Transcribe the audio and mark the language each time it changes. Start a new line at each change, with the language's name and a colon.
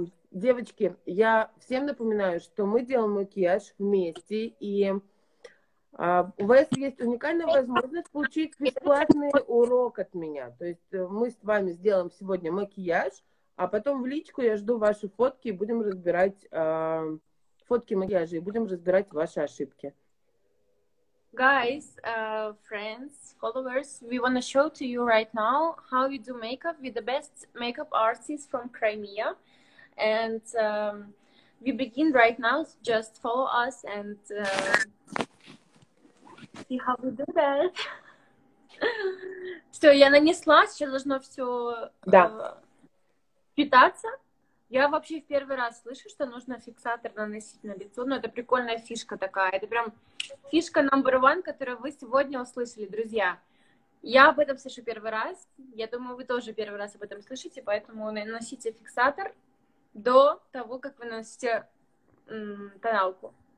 Russian: Девочки, я всем напоминаю, что мы делаем макияж вместе, и у вас есть уникальная возможность получить бесплатный урок от меня. То есть мы с вами сделаем сегодня макияж, а потом в личку я жду ваши фотки и будем разбирать фотки макияжа и будем разбирать ваши ошибки.
English: Guys, friends, followers, we want to show to you right now how you do makeup with the best makeup artists from Crimea. And we begin right now, so just follow us and see how we do that.
Russian: Все, я нанесла, сейчас должно все питаться. Я вообще в первый раз слышу, что нужно фиксатор наносить на лицо, но это прикольная фишка такая. Это прям фишка
English: number one,
Russian: которую вы сегодня услышали, друзья. Я об этом слышу первый раз. Я думаю, вы тоже первый раз об этом слышите, поэтому наносите фиксатор до того, как вы наносите тоналку.